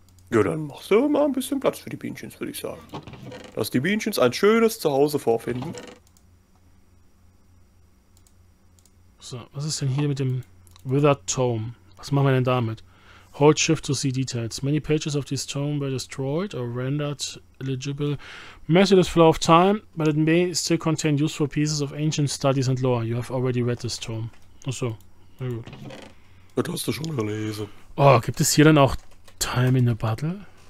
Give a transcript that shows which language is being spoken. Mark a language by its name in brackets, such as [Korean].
[German] Ja, dann machst du mal ein bisschen Platz für die Bienchens, würde ich sagen. Dass die Bienchens ein schönes Zuhause vorfinden. So, was ist denn hier mit dem Withered Tome? Was machen wir denn damit? [English] Hold Shift to see details. Many pages of this tome were destroyed or rendered illegible. Merciless flow of time, but it may still contain useful pieces of ancient studies and lore. You have already read this tome. [German] Achso, na gut. Das hast du schon gelesen. Oh, gibt es hier dann auch Time in a Bottle?